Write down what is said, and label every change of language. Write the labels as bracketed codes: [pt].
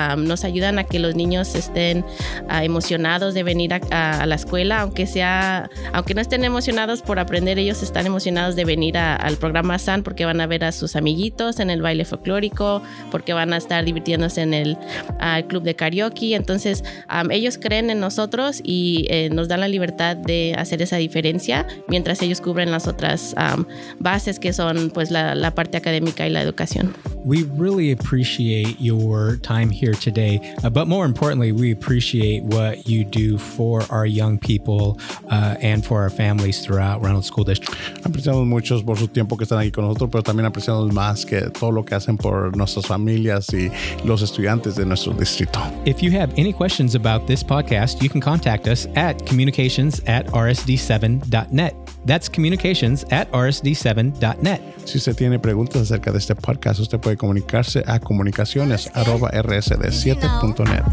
[es] Nos ayudan a que los niños estén emocionados de venir a la escuela, aunque no estén emocionados por aprender, ellos están emocionados de venir al programa SAN porque van a ver a sus amiguitos en el baile folclórico, porque van a estar divirtiéndose en el club de karaoke. Entonces ellos creen en nosotros y nos dan la libertad de hacer esa diferencia mientras ellos cubren las otras bases, que son pues la parte académica y la educación. [en] We really appreciate your time here today, but more importantly, we appreciate what you do for our young people and for our families throughout Reynolds School District. [es] Apreciamos mucho por su tiempo que están aquí con nosotros, pero también apreciamos más que todo lo que hacen por nuestras familias y los estudiantes de nuestro distrito. [en] If you have any questions about this podcast, you can contact us at communications@rsd7.net. That's communications@rsd7.net. [es] Si usted tiene preguntas acerca de este podcast, usted puede comunicarse a comunicaciones@rsd7.net.